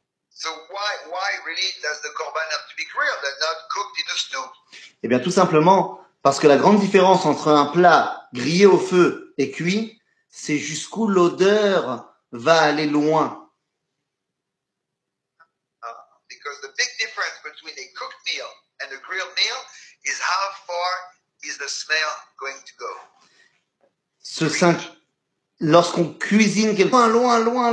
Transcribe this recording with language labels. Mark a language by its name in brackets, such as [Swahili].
[English] So why really does the Korban have to be grilled and not cooked in a stew? [French] Eh bien, tout simplement. Parce que la grande différence entre un plat grillé au feu et cuit, c'est jusqu'où l'odeur va aller loin. [English] Because the big difference between a cooked meal and a grilled meal is how far is the smell going to go? [French] Ce cinq. Lorsqu'on cuisine quelque chose loin.